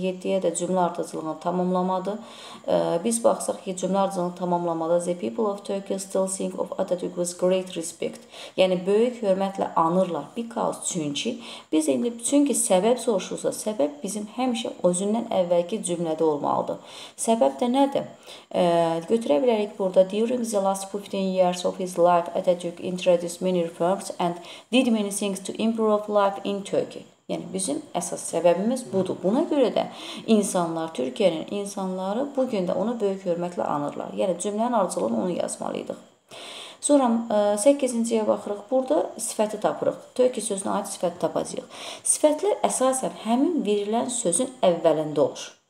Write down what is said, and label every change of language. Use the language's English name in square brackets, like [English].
[Azerbaijani] 7-yə də cümlə ardıcılığını tamamlamadı. Biz baxsaq ki, cümlə ardıcılığını tamamlamada [English] the people of Turkey still think of Atatürk with great respect. [Azerbaijani] Yəni, böyük hörmətlə anırlar. Because, çünki, biz indi, çünki səbəb soruşursa, səbəb bizim həmişə özündən əvvəlki cümlədə olmalıdır. Səbəb də nədir? Götürə bilərik burada, [English] during the last 15 years of his life, Atatürk introduced many reforms and did many things to improve life in Turkey. [Azerbaijani] Yəni bizim əsas səbəbimiz budur. Buna görə də insanlar, Türkiyənin insanları bu gün də onu böyük hörmətlə anırlar. Yəni cümlənin ardıcılığını onu yazmalıydıq. Sonra 8-ciyə baxırıq. Burada sifəti tapırıq. Turkey sözünə aid sifəti tapacağıq. Sifətlər əsasən həmin verilən sözün əvvəlində olur.